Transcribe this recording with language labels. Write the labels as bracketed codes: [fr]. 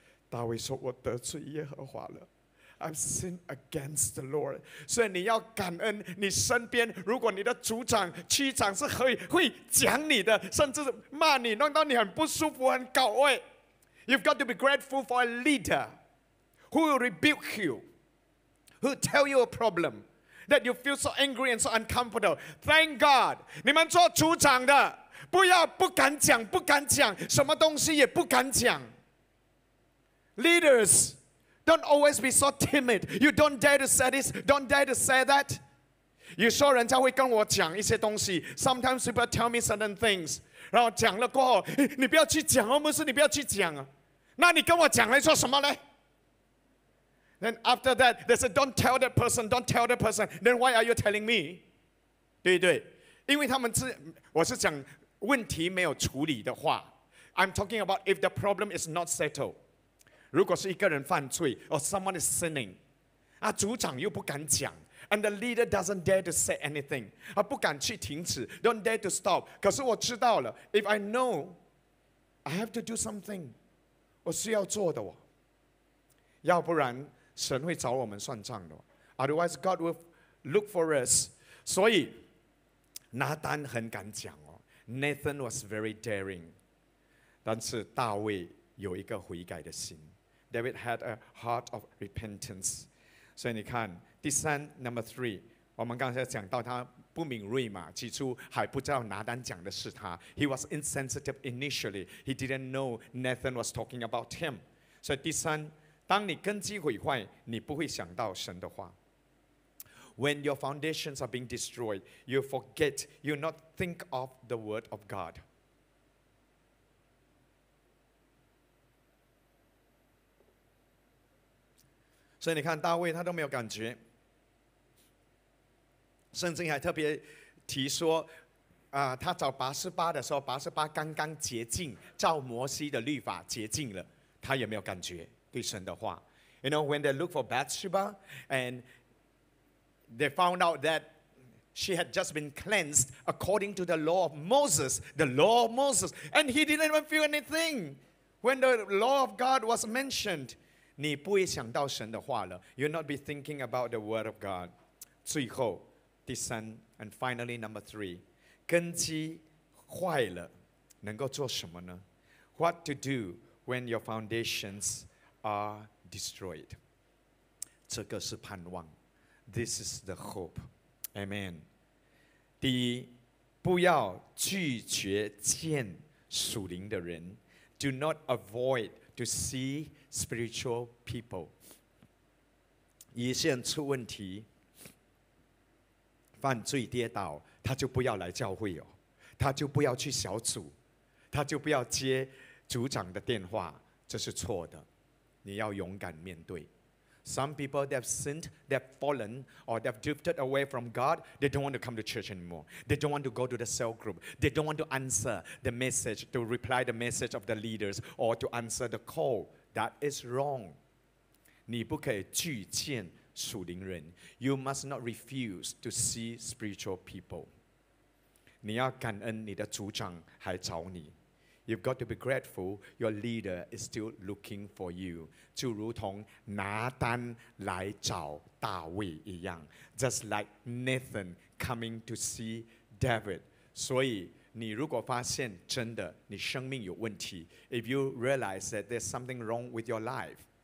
[zh] 大卫说：“我得罪耶和华了。” [en] I've sinned against the Lord. [zh] 所以你要感恩你身边，如果你的族长、区长是会讲你的，甚至骂你，弄到你很不舒服、很搞胃。 [en] You've got to be grateful for a leader who will rebuke you, who tell you a problem that you feel so angry and so uncomfortable. Thank God, [zh] 你们做族长的，不要不敢讲、不敢讲，什么东西也不敢讲。 [en] Leaders. Don't always be so timid. You don't dare to say this. Don't dare to say that. [zh] 有时候人家会跟我讲一些东西。 [en] Sometimes people tell me certain things. [zh] 然后讲了过后，你不要去讲哦，牧师，你不要去讲啊。那你跟我讲来做什么呢 [en] ？Then after that, they said, "Don't tell that person. Don't tell that person." Then why are you telling me? [zh] 对对，因为他们是我是讲问题没有处理的话。 [en] I'm talking about if the problem is not settled. [zh] 如果是一个人犯罪 [en] or someone is sinning, [zh] 啊，组长又不敢讲 [en] and the leader doesn't dare to say anything, [zh] 啊，不敢去停止 [en] don't dare to stop. [zh] 可是我知道了 [en] if I know, I have to do something, [zh] 我需要做的哦。要不然神会找我们算账的 [en] otherwise God will look for us. [zh] 所以拿单很敢讲哦 [en] Nathan was very daring, [zh] 但是大卫有一个悔改的心。 [en] David had a heart of repentance. [zh] 所以你看第三 [en] number three, [zh] 我们刚才讲到他不敏锐嘛，起初还不知道拿单讲的是他。 [en] He was insensitive initially. He didn't know Nathan was talking about him. [zh] 所以第三，当你根基毁坏，你不会想到神的话。 [en] When your foundations are being destroyed, you forget, you not think of the word of God. [zh] 所以你看大卫他都没有感觉，圣经还特别提说他找八十八的时候，八十八刚刚洁净，照摩西的律法洁净了，他也没有感觉对神的话。 [en] You know when they look for Bathsheba and they found out that she had just been cleansed according to the law of Moses. The law of Moses. And he didn't even feel anything when the law of God was mentioned. [zh] 你不会想到神的话了, [en] you'll not be thinking about the word of God. [zh] 最后, 第三, [en] and finally, number three. [zh] 根基坏了, 能够做什么呢? [en] What to do when your foundations are destroyed? [zh] 这个是盼望, [en] this is the hope. Amen. [zh] 第一, 不要拒绝见属灵的人, [en] do not avoid to see spiritual people. [zh] 一线出问题, 犯罪跌倒, 他就不要来教会哦, 他就不要去小组, 他就不要接组长的电话, 这是错的, 你要勇敢面对。 [en] Some people, they've sinned, they've fallen, or they've drifted away from God. They don't want to come to church anymore. They don't want to go to the cell group. They don't want to answer the message, to reply the message of the leaders, or to answer the call. That is wrong. [zh] 你不可以拒见属灵人. [en] You must not refuse to see spiritual people. [zh] 你要感恩你的组长还找你. [en] You've got to be grateful your leader is still looking for you. [zh] 就如同拿单来找大卫一样, [en] just like Nathan coming to see David. [zh] 所以你如果发现真的你生命有问题, [en] if you realize that there's something wrong with your life,